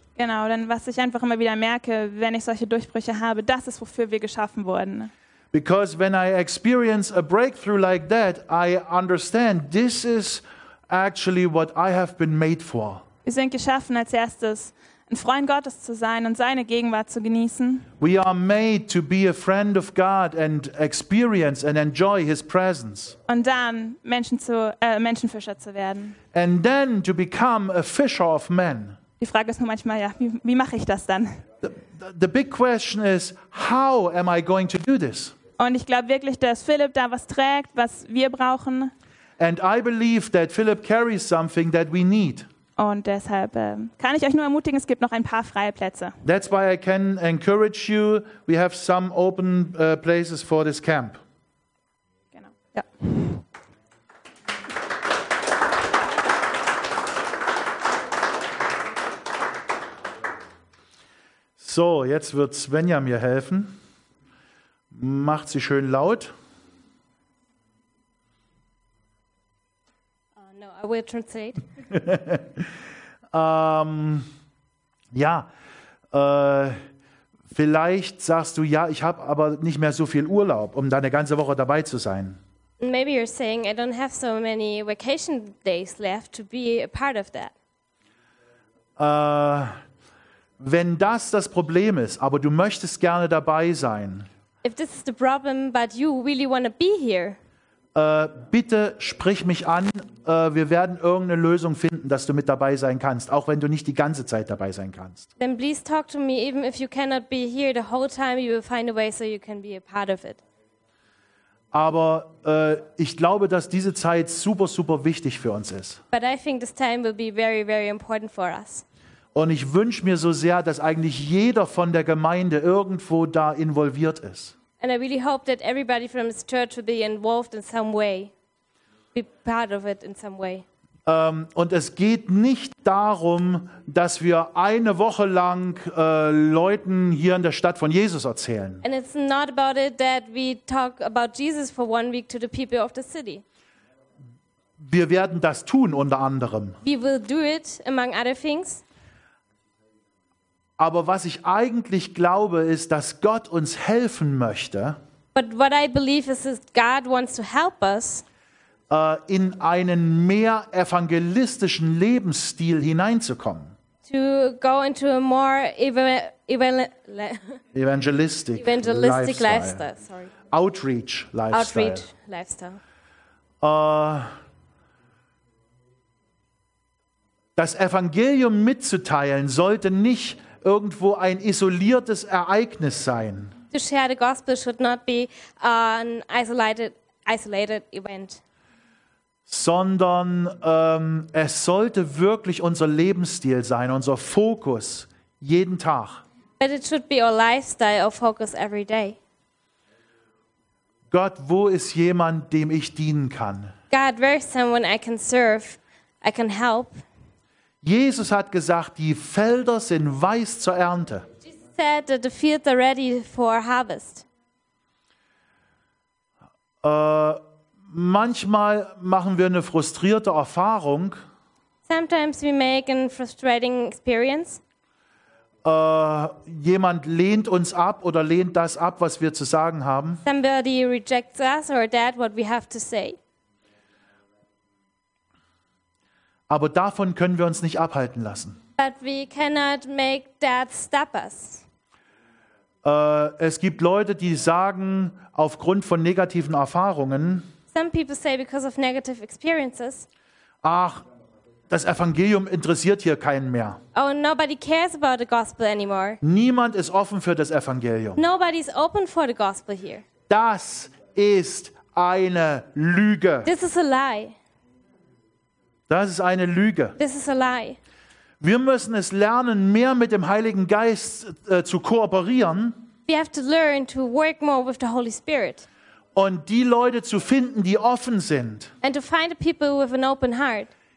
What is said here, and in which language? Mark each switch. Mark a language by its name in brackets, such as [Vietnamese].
[German] Genau, denn was ich einfach immer wieder merke, wenn ich solche Durchbrüche habe, das ist, wofür wir geschaffen wurden. [English] Because when I experience a breakthrough like that, I understand this is actually what I have been made for. [German] Wir sind geschaffen, als erstes ein Freund Gottes zu sein und seine Gegenwart zu genießen. [English] We are made to be a friend of God and experience and enjoy his presence. [German] Und dann Menschenfischer zu werden. [English] And then to become a fisher of men. [German] Die Frage ist nur manchmal, ja, wie mache ich das dann? [English] The big question is, how am I going to do this? [German] Und ich glaube wirklich, dass Philipp da was trägt, was wir brauchen. [English] And I believe that Philip carries something that we need. [German] Und deshalb kann ich euch nur ermutigen, es gibt noch ein paar freie Plätze. [English] That's why I can encourage you. We have some open places for this camp. [German] Genau. Ja. So, jetzt wird Svenja mir helfen. Macht sie schön laut. [English] I will translate. [German] Vielleicht sagst du, ja, ich habe aber nicht mehr so viel Urlaub, um dann eine ganze Woche dabei zu sein. [English] Maybe you're saying I don't have so many vacation days left to be a part of that. [German] Wenn das Problem ist, aber du möchtest gerne dabei sein. [English] If this is the problem, but you really want to be here. [German] Bitte sprich mich an. Wir werden irgendeine Lösung finden, dass du mit dabei sein kannst, auch wenn du nicht die ganze Zeit dabei sein kannst. [English] Then please talk to me, even if you cannot be here the whole time, you will find a way so you can be a part of it. [German] Aber ich glaube, dass diese Zeit super, super wichtig für uns ist. [English] But I think this time will be very, very important for us. [German] Und ich wünsche mir so sehr, dass eigentlich jeder von der Gemeinde irgendwo da involviert ist. [English] And I really hope that everybody from this church will be involved in some way, be part of it in some way. [German] Und es geht nicht darum, dass wir eine Woche lang Leuten hier in der Stadt von Jesus erzählen. [English] And it's not about it that we talk about Jesus for one week to the people of the city. [German] Wir werden das tun unter anderem. [English] We will do it among other things. [German] Aber was ich eigentlich glaube, ist, dass Gott uns helfen möchte. [English] But what I believe is that God wants to help us. [German] In einen mehr evangelistischen Lebensstil hineinzukommen. [English] To go into a more evangelistic lifestyle. Outreach lifestyle. Outreach lifestyle. [German] Das Evangelium mitzuteilen sollte nicht irgendwo ein isoliertes Ereignis sein. [English] To share the gospel should not be an isolated event. [German] Sondern es sollte wirklich unser Lebensstil sein, unser Fokus, jeden Tag. [English] But it should be our lifestyle, our focus every day. [German] Gott, wo ist jemand, dem ich dienen kann? [English] God, where is someone I can serve, I can help? [German] Jesus hat gesagt, die Felder sind weiß zur Ernte. [English] Jesus said that the fields are ready for harvest. [German] Manchmal machen wir eine frustrierte Erfahrung. [English] Sometimes we make a frustrating experience. [German] Jemand lehnt uns ab oder lehnt das ab, was wir zu sagen haben. [English] Somebody rejects us or that what we have to say. [German] Aber davon können wir uns nicht abhalten lassen. [English] But we cannot make that stop us. [German] Es gibt Leute, die sagen, aufgrund von negativen Erfahrungen, [English] some people say because of negative experiences. [German] Ach, das Evangelium interessiert hier keinen mehr. [English] Oh, nobody cares about the gospel anymore. [German] Niemand ist offen für das Evangelium. [English] Nobody's open for the gospel here. [German] Das ist eine Lüge. [English] This is a lie. [German] Das ist eine Lüge. [English] This is a lie. [German] Wir müssen es lernen, mehr mit dem Heiligen Geist zu kooperieren. [English] We have to learn to work more with the Holy Spirit. [German] Und die Leute zu finden, die offen sind. [English] And to find people with an open heart.